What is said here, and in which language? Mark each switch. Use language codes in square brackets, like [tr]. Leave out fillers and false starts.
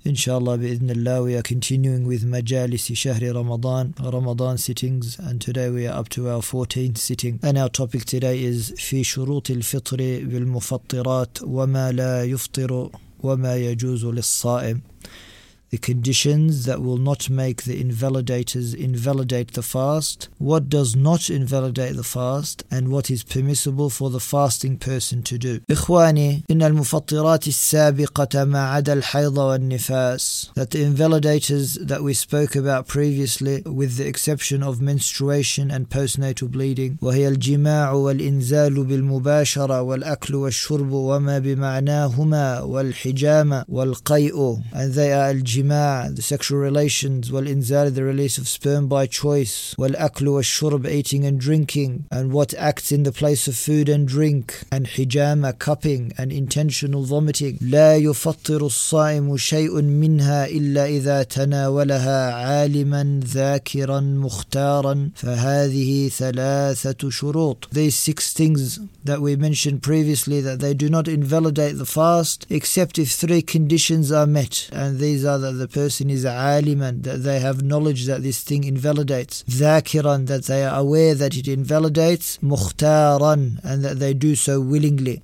[ar] إن شاء الله بإذن الله [en] we are continuing with [ar] مجالس شهر رمضان, [en] Ramadan sittings, and today we are up to our 14th sitting. And our topic today is [ar] في شروط الفطر بالمفطرات وما لا يفطر وما يجوز للصائم. [en] The conditions that will not make the invalidators invalidate the fast, what does not invalidate the fast, and what is permissible for the fasting person to do. [ar] إخواني, إن المفطرات السابقة ما عدا الحيض والنفاس, [en] that the invalidators that we spoke about previously, with the exception of menstruation and postnatal bleeding, [ar] وهي الجماع والإنزال بالمباشرة والأكل والشرب وما بمعناهما والحجامة والقيء, [en] and they are الجماع, the sexual relations, والإنزال, the release of sperm by choice, [ar] والأكل والشرب, [en] eating and drinking, and what acts in the place of food and drink, and حجامة, cupping, and intentional vomiting. [ar] لا يفطر الصائم شيء منها إلا إذا تناولها عالما ذاكرا مختارا فهذه ثلاثة شروط. [en] These six things that we mentioned previously, that they do not invalidate the fast except if three conditions are met, and these are that the person is عالماً, that they have knowledge that this thing invalidates, ذاكراً, that they are aware that it invalidates, مختاراً, and that they do so willingly.